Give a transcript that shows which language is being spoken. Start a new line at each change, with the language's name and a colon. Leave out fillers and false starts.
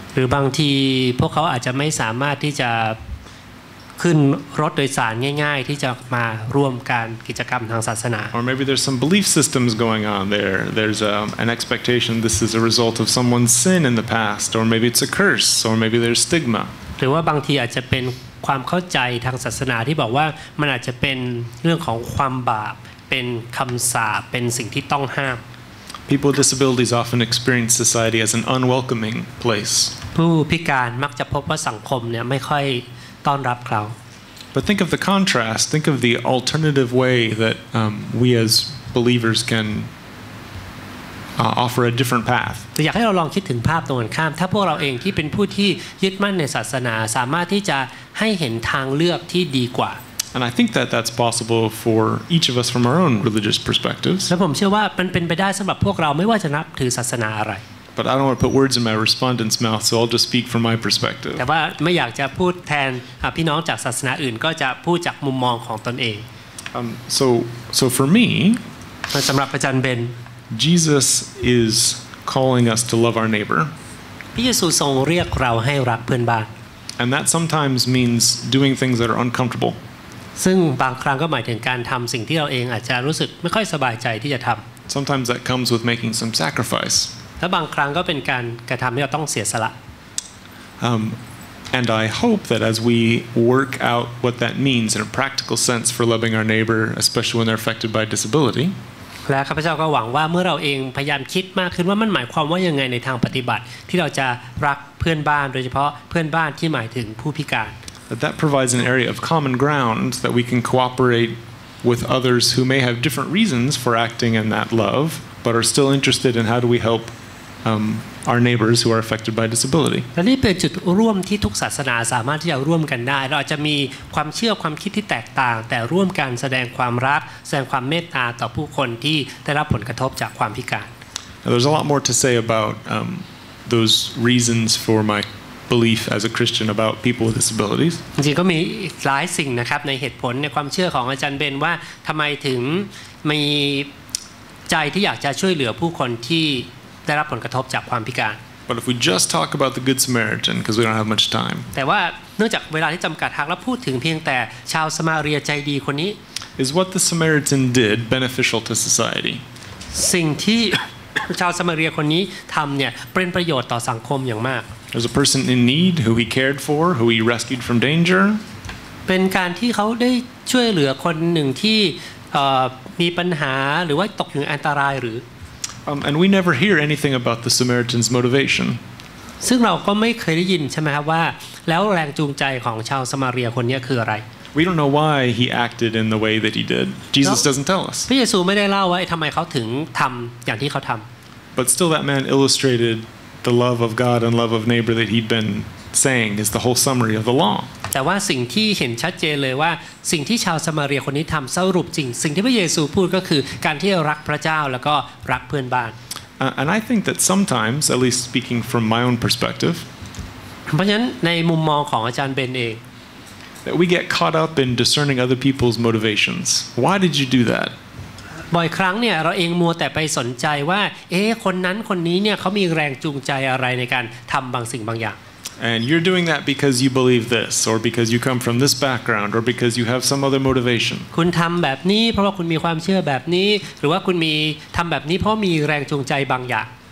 Thai: รือบางทีพวกเขาอาจจะไม่สามารถที่จะขึ้นรถโดยสารง่ายๆที่จะมาร่วมการกิจกรรมทางศาสนา
English: Or maybe there's some belief systems going on there. There's an expectation this is a result of someone's sin in the past, or maybe it's a curse, or maybe there's stigma.
Thai: หรือว่าบางทีอาจจะเป็นความเข้าใจทางศาสนาที่บอกว่ามันอาจจะเป็นเรื่องของความบาปเป็นคำสาปเป็นสิ่งที่ต้องห้าม
English: People with disabilities often experience society as an unwelcoming place.
Thai: ผู้พิการมักจะพบว่าสังคมเนี่ยไม่ค่อยต้อนรับเขา
English: But think of the contrast. Think of the alternative way that we as believers can offer a different path.
Thai: แต่อยากให้เราลองคิดถึงภาพตรงกันข้ามถ้าพวกเราเองที่เป็นผู้ที่ยึดมั่นในศาสนาสามารถที่จะให้เห็นทางเลือกที่ดีกว่า
English: And I think that that's possible for each of us from our own religious perspectives.
Thai: และผมเชื่อว่ามันเป็นไปได้สำหรับพวกเราไม่ว่าจะนับถือศาสนาอะไร
English: But I don't want to put words in my respondent's mouth, so I'll just speak from my perspective.
Thai: แต่ว่าไม่อยากจะพูดแทนพี่น้องจากศาสนาอื่นก็จะพูดจากมุมมองของตนเอง
English: So for me,
Thai: สำหรับอาจารย์เบน
English: Jesus is calling us to love our neighbor.
Thai: พระเยซูทรงเรียกเราให้รักเพื่อนบ้าน
English: And that sometimes means doing things that are uncomfortable.
Thai: ซึ่งบางครั้งก็หมายถึงการทำสิ่งที่เราเองอาจจะรู้สึกไม่ค่อยสบายใจที่จะทำ
English: Sometimes that comes with making some sacrifice.
Thai: และบางครั้งก็เป็นการกระทำที่เราต้องเสียสละ
English: And I hope that as we work out what that means in a practical sense for loving our neighbor, especially when they're affected by disability.
Thai: และข้าพเจ้าก็หวังว่าเมื่อเราเองพยายามคิดมากขึ้นว่ามันหมายความว่ายังไงในทางปฏิบัติที่เราจะรักเพื่อนบ้านโดยเฉพาะเพื่อนบ้านที่หมายถึงผู้พิการ
English: That provides an area of common ground that we can cooperate with others who may have different reasons for acting in that love, but are still interested in how do we help. Our neighbors who are affected by disability.
Thai: และนี่เป็นจุดร่วมที่ทุกศาสนาสามารถที่จะร่วมกันได้เราอาจจะมีความเชื่อความคิดที่แตกต่างแต่ร่วมกันแสดงความรักแสดงความเมตตาต่อผู้คนที่ได้รับผลกระทบจากความพิการ
English: Now, there's a lot more to say about those reasons for my belief as a Christian about people with disabilities.
Thai: จริงก็มีหลายสิ่งนะครับในเหตุผลในความเชื่อของอาจารย์เบนว่าทำไมถึงมีใจที่อยากจะช่วยเหลือผู้คนที่ได้รับผลกระทบจากความพิการ
English: But if we just talk about the Good Samaritan because we don't have much time
Thai: แต่ว่าเนื่องจากเวลาที่จำกัดหากเราพูดถึงเพียงแต่ชาวสมาเรียใจดีคนนี้
English: Is what the Samaritan did beneficial to society
Thai: สิ่งที่ชาวสมาเรียคนนี้ทำเนี่ยเป็นประโยชน์ต่อสังคมอย่างมาก
English: There's a person in need who he cared for who he rescued from danger
Thai: เป็นการที่เขาได้ช่วยเหลือคนหนึ่งที่มีปัญหาหรือว่าตกอยู่อันตรายหรือ
English: And we never hear anything about the Samaritan's motivation.
Thai: ซึ่งเราก็ไม่เคยได้ยินใช่ไหมครับว่าแล้วแรงจูงใจของชาวสมาเรียคนนี้คืออะไร
English: We don't know why he acted in the way that he did. Jesus doesn't tell us.
Thai: พระเยซูไม่ได้เล่าว่าทำไมเขาถึงทำอย่างที่เขาทำ
English: But still, that man illustrated the love of God and love of neighbor that he'd been saying is the whole summary of the law.
Thai: แต่ว่าสิ่งที่เห็นชัดเจนเลยว่าสิ่งที่ชาวสมาเรียคนนี้ทำสรุปจริงสิ่งที่พระเยซูพูดก็คือการที่รักพระเจ้าแล้วก็รักเพื่อนบ้าน
English: And I think that sometimes, at least speaking from my own perspective,
Thai: เพราะฉะนั้นในมุมมองของอาจารย์เบนเอง
English: that we get caught up in discerning other people's motivations. Why did you do that?
Thai: บ่อยครั้งเนี่ยเราเองมัวแต่ไปสนใจว่าเอ๊ะคนนั้นคนนี้เนี่ยเขามีแรงจูงใจอะไรในการทำบางสิ่งบางอย่าง
English: And you're doing that because you believe this, or because you come from this background, or because you have some other motivation.
Thai: คุณทำแบบนี้เพราะว่าคุณมีความเชื่อแบบนี้หรือว่าคุณมีทำแบบนี้เพราะมีแรงจูงใจบางอย่าง